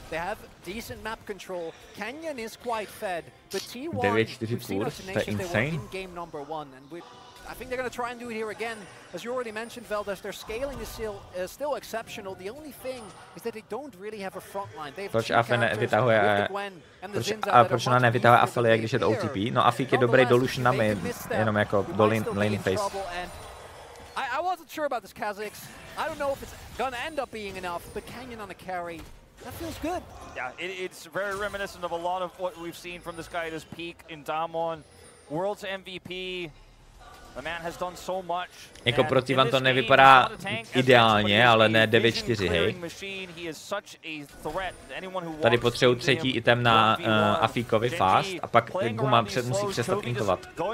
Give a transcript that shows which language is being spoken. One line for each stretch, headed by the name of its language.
English: They have decent map control. Kenyan is quite fed. But T1, 9-4 kurz, that's insane. Game number one, and I think they're going to try and do it here again. As you already mentioned, Veldas, their scaling is still exceptional. The only thing is that they don't really have a front line.
Czech: Proč Afe nevytahuje, proč ona nevytahuje Afelie, když je to OTP? No Afik je dobrý do Lucian na mid, jenom jako do laning phase.
English: I wasn't sure about this Kha'Zix. I don't know if it's gonna end up being enough, but Kenyan on a carry, that feels good. Yeah, it's very reminiscent of a lot of what we've seen from this guy at his peak in Damwon. World's MVP. The man has done so much.
Czech: Jako pro T1 to nevypadá ideálně, ale ne 9-4, hej.
English: He is such a threat. Anyone who
Czech: tady potřebuje třetí item na Afíkovi fast a pak Guma musí přestat intovat.